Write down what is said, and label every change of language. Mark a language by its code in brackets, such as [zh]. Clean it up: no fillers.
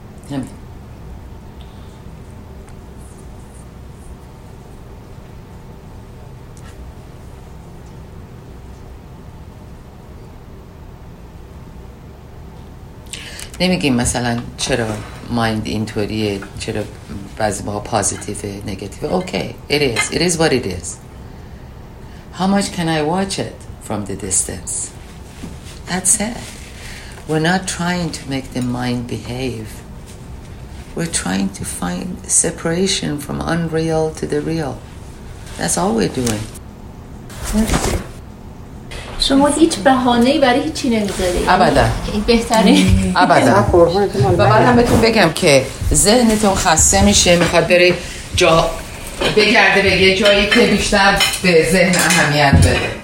[fa] نمی نمیگیم مثلا چرا مایند اینطوریه، چرا بعضی ماها پازیتیفه نگتیفه. [en] Okay, it is what it is. How much can I watch it from the distance? That's it. We're not trying to make the mind behave. We're trying to find separation from unreal to the real. That's all we're doing. [fa] شما هیچ بهانه‌ای برای هیچ چیزی نمی‌ذارید. ابدا. بهتره. ابدا. و بعد هم بهتون بگم که ذهنتون خسته میشه، میخواد بره جا بگرده به یه جایی که بیشتر به ذهن اهمیت بده.